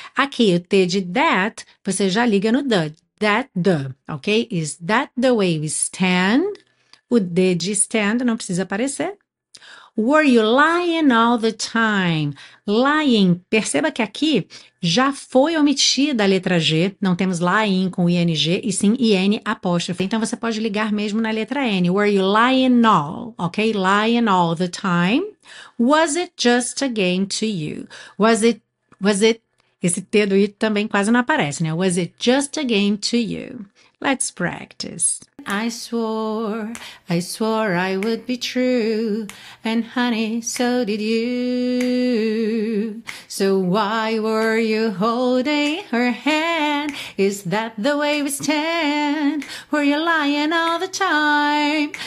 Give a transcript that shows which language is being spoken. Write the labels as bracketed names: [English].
[Portuguese] Aqui, o T de that, você já liga no the. That, the. Ok? [English] Is that the way we stand? [Portuguese] O D de stand não precisa aparecer. [English] Were you lying all the time? Lying. [Portuguese] Perceba que aqui já foi omitida a letra G. Não temos lying com ing e sim in apóstrofe. Então você pode ligar mesmo na letra N. [English] Were you lying all? Ok? Lying all the time. Was it just a game to you? Was it? [Portuguese] Esse T do it também quase não aparece, né? [English] Was it just a game to you? Let's practice. I swore I would be true, and honey, so did you. So why were you holding her hand? Is that the way we stand? Were you lying all the time?